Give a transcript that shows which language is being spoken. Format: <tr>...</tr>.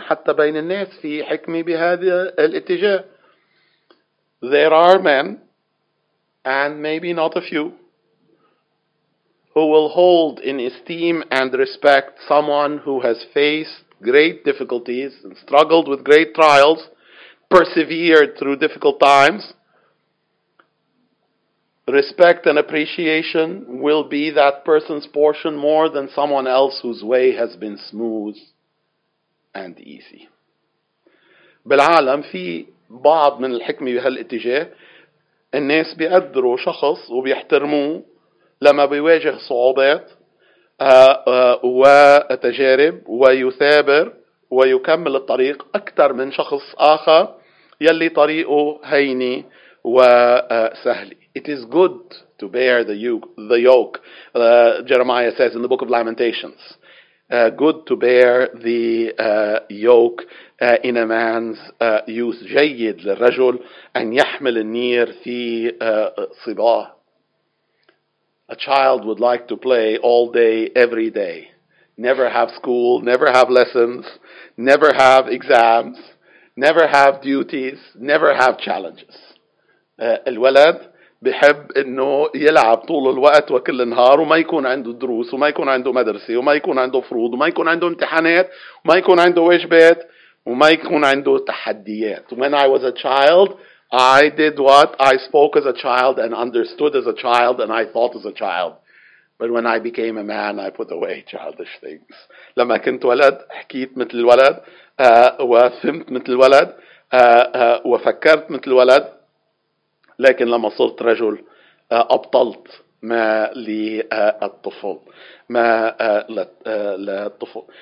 <ar>حتى بين الناس في حكمة بهذا الاتجاه.</ar> <en>There are men, and maybe not a few, who will hold in esteem and respect someone who has faced great difficulties and struggled with great trials, persevered through difficult times. Respect and appreciation will be that person's portion more than someone else whose way has been smooth and easy.</en> <ar>بالعالم في بعض من الحكمة بهالاتجاه الناس بيقدروا شخص وبيحترموه لما بيواجه صعوبات وتجارب ويثابر ويكمل الطريق أكثر من شخص آخر يلي طريقه هيني وسهلي.</ar> <en>It is good to bear the yoke, Jeremiah says in the book of Lamentations. Good to bear the yoke in a man's youth.</en> <ar>جيد للرجل أن يحمل النير في صباه.</ar> <en>A child would like to play all day, every day. Never have school, never have lessons, never have exams, never have duties, never have challenges.</en> <ar>الولد بحب انه يلعب طول الوقت وكل النهار وما يكون عنده دروس وما يكون عنده مدرسة وما يكون عنده فروض وما يكون عنده امتحانات وما يكون عنده واجبات وما يكون عنده تحديات.</ar> <en>When I was a child, I did what? I spoke as a child and understood as a child and I thought as a child. But when I became a man, I put away childish things.</en> <ar>لما كنت ولد حكيت مثل الولد وفهمت مثل الولد وفكرت مثل الولد. لكن لما صرت رجل أبطلت ما للطفل ما للطفل.</ar>